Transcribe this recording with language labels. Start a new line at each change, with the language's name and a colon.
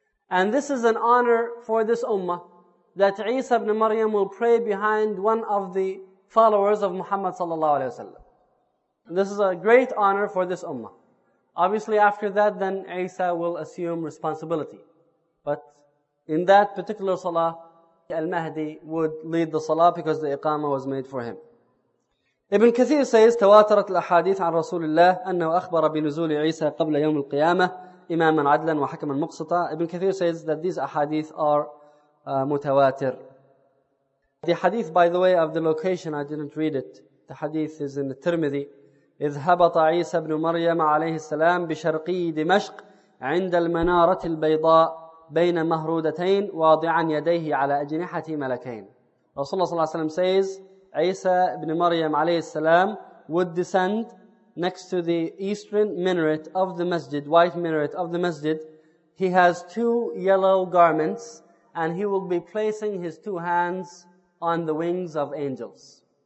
English: And this is an honor for this ummah that Isa ibn Maryam will pray behind one of the followers of Muhammad sallallahu alayhi wasallam. This is a great honor for this ummah. Obviously after that then Isa will assume responsibility. But in that particular salah, al-Mahdi would lead the salah because the iqama was made for him. Ibn Kathir says,
Arabic: تواترت الأحاديث عن رسول الله أنه أخبر بنزول عيسى قبل يوم القيامة إماما عدلا وحكما مقسطا.
English: Ibn Kathir says that these ahadith are متواتر. The hadith, by the way, of the location, I didn't read it. The hadith is in the Tirmidhi.
Arabic: إذ هبط عيسى بن مريم عليه السلام بشرقي دمشق عند المنارة البيضاء بين مهرودتين واضعا يديه على أجنحة ملكين.
English: Rasulullah
Arabic: صلى الله عليه وسلم
English: says, Isa ibn Maryam alayhi salam would descend next to the eastern minaret of the masjid, white minaret of the masjid. He has two yellow garments and he will be placing his two hands on the wings of angels.